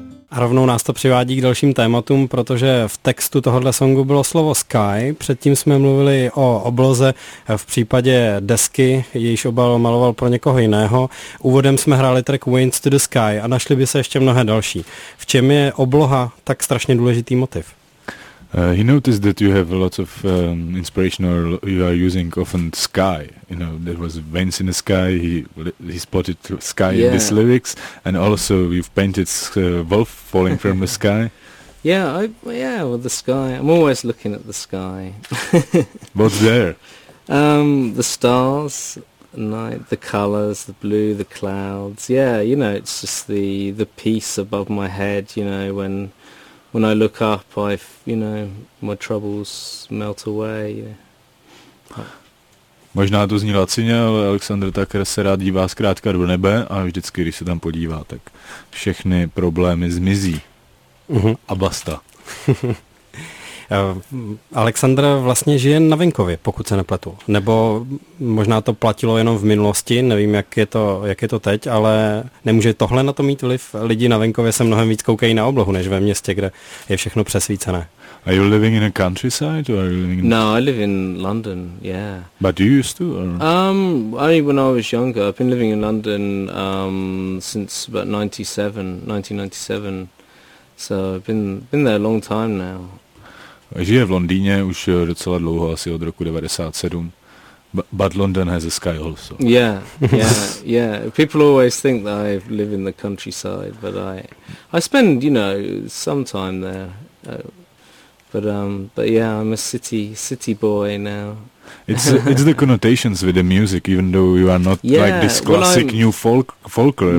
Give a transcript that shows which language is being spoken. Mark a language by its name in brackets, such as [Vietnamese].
[Czech] A rovnou nás to přivádí k dalším tématům, protože v textu tohohle songu bylo slovo sky. Předtím jsme mluvili o obloze v případě desky, jejíž obal maloval pro někoho jiného. Úvodem jsme hráli track Winds to the Sky a našli by se ještě mnohé další. V čem je obloha tak strašně důležitý motiv? [English] He noticed that you have a lot of inspiration, or you are using often sky. You know, there was veins in the sky. He spotted sky in these lyrics, and also you've painted wolf falling from the sky. Well, the sky. I'm always looking at the sky. What's there? The stars, night, the colors, the blue, the clouds. Yeah, you know, it's just the peace above my head. You know, when I look up, my troubles melt away. [Czech] Možná to zní lacině, ale Alexander Tucker se rád dívá zkrátka do nebe a vždycky, když se tam podívá, tak všechny problémy zmizí. A basta. Alexander vlastně žije na venkově, pokud se nepletu. Nebo možná to platilo jenom v minulosti, nevím, jak je to teď, ale nemůže tohle na to mít vliv? Lidi na venkově se mnohem víc koukají na oblohu, než ve městě, kde je všechno přesvícené. [English] Are you living in a countryside or are you living in... No, I live in London, yeah. But do you used to? Only when I was younger. I've been living in London since about 1997. So I've been there a long time now. [Czech] Žije v Londýně už docela dlouho, asi od roku 97. [English] But London has a sky also. Yeah. People always think that I live in the countryside, but I spend, you know, some time there. but yeah, I'm a city boy now. It's the connotations with the music, even though you are not like this classic new folklore.